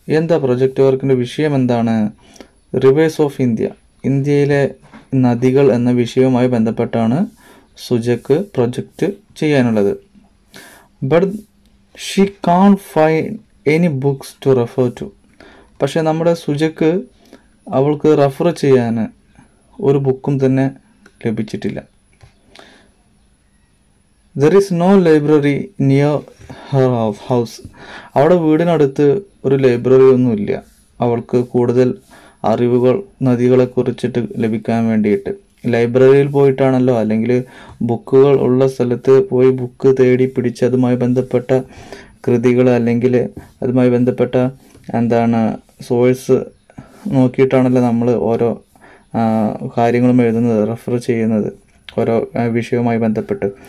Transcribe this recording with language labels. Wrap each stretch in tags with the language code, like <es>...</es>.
<ml>എന്താ പ്രൊജക്റ്റ് വർക്കിൻ്റെ വിഷയം എന്താണ്? റിവേഴ്സ് ഓഫ് ഇന്ത്യ, ഇന്ത്യയിലെ നദികൾ എന്ന വിഷയവുമായി ബന്ധപ്പെട്ടാണ് സുജക്ക് പ്രൊജക്റ്റ് ചെയ്യാനുള്ളത്.</ml> <en>But she can't find any books to refer to.</en> <ml>പക്ഷേ നമ്മുടെ സുജക്ക് അവൾക്ക് റെഫർ ചെയ്യാൻ ഒരു ബുക്കും തന്നെ ലഭിച്ചിട്ടില്ല.</ml> <en>There is no library near her house.</en> <ml>അവളുടെ വീടിനടുത്ത് ഒരു ലൈബ്രറി ഒന്നുമില്ല അവൾക്ക് കൂടുതൽ അറിവുകൾ നദികളെക്കുറിച്ചിട്ട് ലഭിക്കാൻ വേണ്ടിയിട്ട്. ലൈബ്രറിയിൽ പോയിട്ടാണല്ലോ, അല്ലെങ്കിൽ ബുക്കുകൾ ഉള്ള സ്ഥലത്ത് പോയി ബുക്ക് തേടി പിടിച്ച് അതുമായി ബന്ധപ്പെട്ട കൃതികൾ അല്ലെങ്കിൽ അതുമായി ബന്ധപ്പെട്ട എന്താണ് സോഴ്സ് നോക്കിയിട്ടാണല്ലോ നമ്മൾ ഓരോ കാര്യങ്ങളും എഴുതുന്നത്, റെഫർ ചെയ്യുന്നത് ഓരോ വിഷയവുമായി ബന്ധപ്പെട്ട്.</ml>